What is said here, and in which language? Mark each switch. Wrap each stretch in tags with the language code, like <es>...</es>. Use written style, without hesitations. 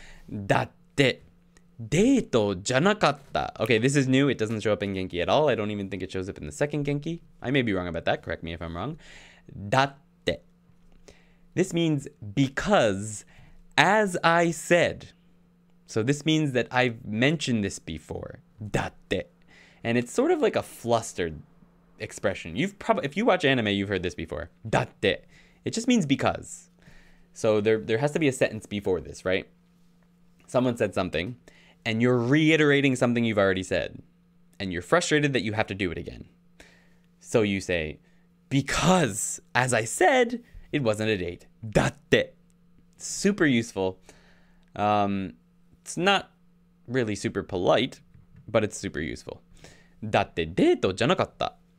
<ja>だって、デートじゃなかった。</ja> <en>Okay, this is new. It doesn't show up in Genki at all. I don't even think it shows up in the second Genki. I may be wrong about that. Correct me if I'm wrong.</en> <ja>だって。</ja> <en>This means because, as I said. So this means that I've mentioned this before.</en> <ja>だって。</ja> <en>And it's sort of like a flustered expression. You've probably, if you watch anime, you've heard this before.</en> <ja>Datte.</ja> <en>It just means because. So there has to be a sentence before this, right? Someone said something, and you're reiterating something you've already said, and you're frustrated that you have to do it again. So you say, because, as I said, it wasn't a date.</en> <ja>Datte.</ja> <en>Super useful. It's not really super polite, but it's super useful.</en> <ja>だってデートじゃなかった。</ja>